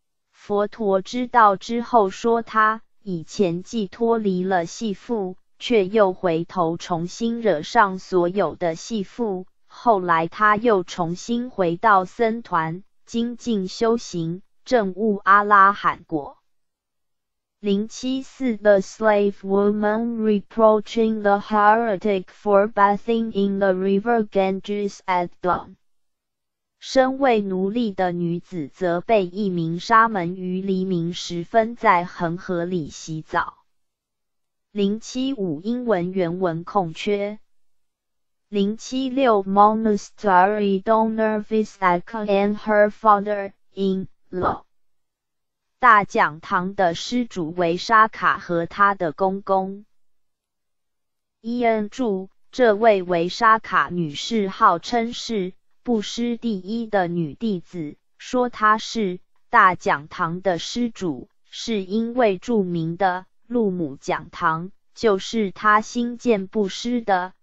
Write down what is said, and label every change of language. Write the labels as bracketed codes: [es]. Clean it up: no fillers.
[zh] 佛陀知道之后说，他以前既脱离了系缚，却又回头重新惹上所有的系缚，后来他又重新回到僧团精进修行，证悟阿拉罕果。 [en] 074 The slave woman reproaching the heretic for bathing in the river Ganges at dawn. [zh] 身为奴隶的女子则被一名沙门于黎明时分在恒河里洗澡。 075英文原文空缺。 [en] 076 Monastery donor Visakha and her father-in-law。 [zh] 大讲堂的施主为沙卡和他的公公。伊恩注：这位为沙卡女士号称是布施第一的女弟子，说她是大讲堂的施主，是因为著名的鹿母讲堂就是她兴建布施的。